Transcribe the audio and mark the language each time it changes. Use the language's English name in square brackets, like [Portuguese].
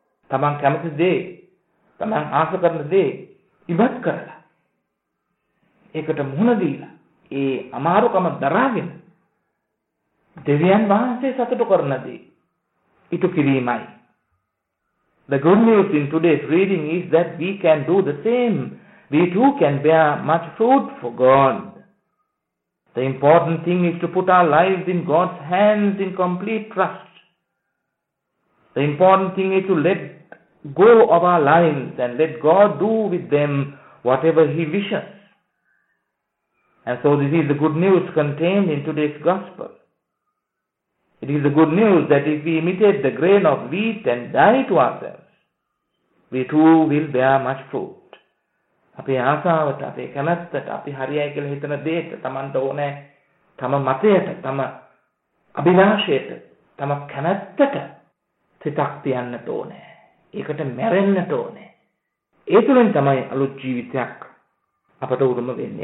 [Sinhala] තමන් කැමති දේ, තමන් ආස කරන දේ ඉවත් කරලා ඒකට මුහුණ දීලා ඒ අමාරුකම දරාගෙන දෙවියන් වහන්සේ සතුට කරන දේ ඉටු කිරීමයි. [English] The good news in today's reading is that we can do the same. We too can bear much fruit for God. The important thing is to put our lives in God's hands in complete trust. The important thing is to let go of our lives and let God do with them whatever He wishes. And so this is the good news contained in today's gospel. It is the good news that if we imitate the grain of wheat and die to ourselves, we too will bear much fruit. [Sinhala] අපේ ආසාවට, අපේ කැමැත්තට, අපි හරියයි කියලා හිතන දෙයට, තමන්ට ඕනේ තම මතයට, තම අභිලාෂයට, තම කැමැත්තට සිතක් තියන්නට ඕනේ. ඒකට මැරෙන්නට ඕනේ. ඒ තුලින් තමයි අලුත් ජීවිතයක් අපට උරුම වෙන්නේ.